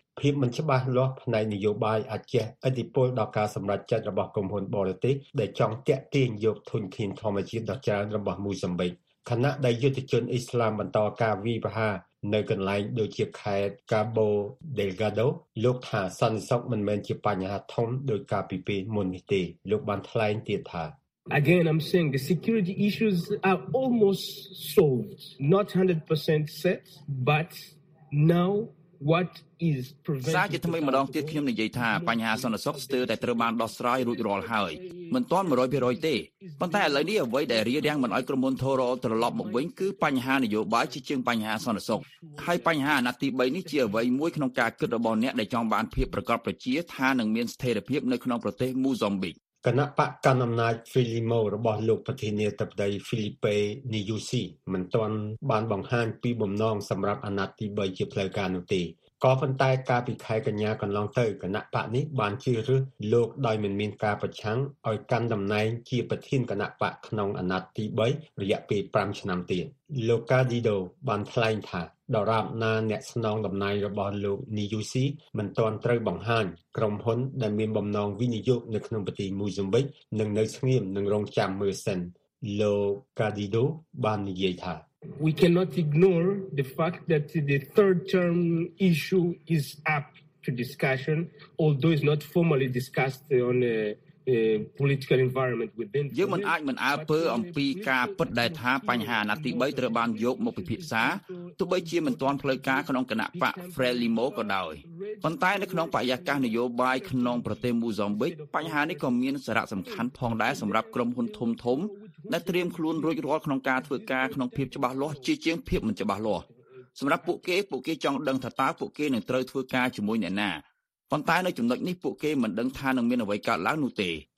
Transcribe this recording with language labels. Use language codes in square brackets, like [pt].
[km] ភាពមិនច្បាស់លាស់ផ្នែកនយោបាយអាចជះឥទ្ធិពលដល់ការសម្រេចចិត្តរបស់ក្រុមហ៊ុនបរទេសដែលចង់ទាក់ទាញយកធនធានធម្មជាតិដ៏ច្រើនរបស់មូសាំបិកខណៈដែលយុទ្ធជនអ៊ីស្លាមបន្តការវាយប្រហារនៅកន្លែងដូចជាខេត្ត Cabo Delgado លោកថាសន្តិសុខមិនមែនជាបញ្ហាធំដោយការពីពេលមុននេះទេលោកបានថ្លែងទៀតថា [en] Again I'm saying the security issues are almost solved not 100% set but now What is preventing? [km] សារជាថ្មីម្ដងទៀតខ្ញុំនិយាយថាបញ្ហាសន្តិសុខស្ទើរតែត្រូវបានដោះស្រាយរួចរាល់ហើយមិនទាន់ 100% ទេប៉ុន្តែឥឡូវនេះអ្វីដែលរារាំងមិនឲ្យក្រុមហ៊ុនធូរ៉ូត្រឡប់មកវិញគឺបញ្ហានយោបាយជាជាងបញ្ហាសន្តិសុខហើយបញ្ហាអាណត្តិទី3នេះជាអ្វីមួយក្នុងការគិតរបស់អ្នកដែលចង់បានភាពប្រកបប្រជាថានឹងមានស្ថិរភាពនៅក្នុងប្រទេសមូហ្សាំប៊ីក គណៈបកកណ្ដាលអំណាចហ្វីលីម៉ូរបស់លោកប្រធានាធិបតីហ្វីលីពេនីយូស៊ីមិនទាន់បានបង្ហាញពីបំណងសម្រាប់អាណត្តិទី3ជាផ្លូវការនោះទេក៏ប៉ុន្តែកាលពីខែកញ្ញាកន្លងទៅគណៈបកនេះបានជ្រើសរើសលោកដោយមិនមានការប្រឆាំងឲ្យកាន់តំណែងជាប្រធានគណៈបកក្នុងអាណត្តិទី3រយៈពេល5ឆ្នាំទៀត លោកកាឌីដូបានថ្លែងថាដរាបណាអ្នកស្នងតំណែងរបស់លោកនីយូស៊ីមិនទាន់ត្រូវបង្ហាញក្រុមហ៊ុនដែលមានបំណងវិនិយោគនៅក្នុងប្រទេសមូហ្សាំប៊ិកនឹងនៅស្ងៀមនិងរង់ចាំមើលសិនលោកកាឌីដូបាននិយាយថា [en] We cannot ignore the fact that the third term issue is up to discussion although it's not formally discussed on a political environment within [km] យើងមិនអាចមិនអើពើអំពីការពិតដែលថាបញ្ហាអាណត្តិទី3ត្រូវបានយកមកពិភាក្សាទោះបីជាមិនទាន់ផ្លូវការក្នុងគណៈបក Frelimo ក៏ដោយប៉ុន្តែនៅក្នុងបរិយាកាសនយោបាយក្នុងប្រទេសមូហ្សាំប៊ិកបញ្ហានេះក៏មានសារៈសំខាន់ផងដែរសម្រាប់ក្រុមហ៊ុនធំធំដែលត្រៀមខ្លួនរួចរាល់ក្នុងការធ្វើការក្នុងភាពច្បាស់លាស់ជាជាងភាពមិនច្បាស់លាស់សម្រាប់ពួកគេចង់ដឹងថាតើពួកគេនឹងត្រូវធ្វើការជាមួយអ្នកណាប៉ុន្តែនៅចំណុចនេះពួកគេមិនដឹងថានឹងមានអ្វីកើតឡើងនោះទេ